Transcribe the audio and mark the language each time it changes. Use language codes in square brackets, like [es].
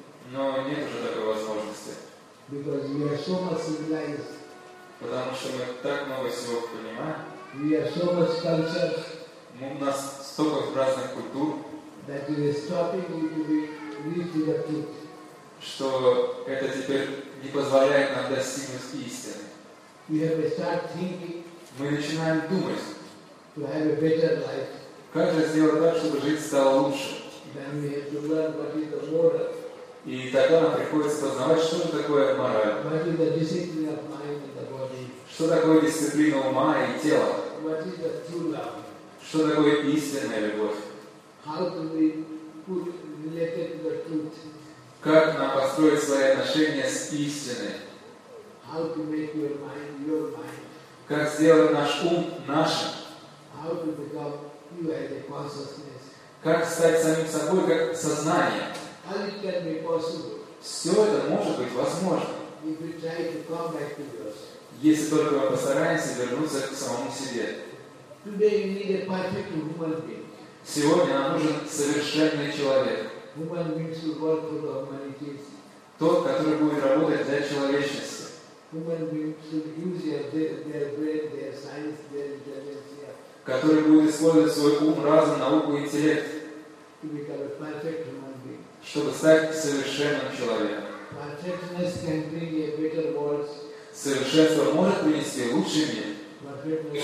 [ru] Но нет уже такой возможности. Потому что мы так много всего понимаем. [en] We have so much culture. [ru] У нас столько разных культур. [en] That is stopping you to reach the truth. [ru] Что это теперь не позволяет нам достигнуть истины. [en] We have to start thinking. [ru] Мы начинаем думать. [en] To have a better life. [ru] Как же сделать так, чтобы жить стало лучше? [en] Then we have to learn what is the moral. [ru] И тогда нам приходится познавать, что же такое мораль. [en] What is the discipline of mind and the body? [ru] Что такое дисциплина ума и тела? [en] What is the true love? [ru] Что такое истинная любовь? [en] How do we put related to the truth? [ru] Как нам построить свои отношения с истиной? [en] How to make your mind your mind? [ru] Как сделать наш ум нашим? [en] How to become you as a consciousness? [ru] Как стать самим собой как сознание? [en] How it can be possible? [ru] Все это может быть возможно. [en] If you try to come back to yourself. [ru] Если только мы постараемся вернуться к самому себе. [en] Today we need a perfect human being. [ru] Сегодня нам нужен совершенный человек. [en] Human means to work for the humanity. [ru] Тот, который будет работать для человечества. [en] Human means to use their brain, their science, their intelligence. [ru] Который будет использовать свой ум, разум, науку и интеллект. [en] To become a perfect human being. [ru] Чтобы стать совершенным человеком. [en] Perfectness can bring a better world. [ru] Совершенство может принести лучший мир.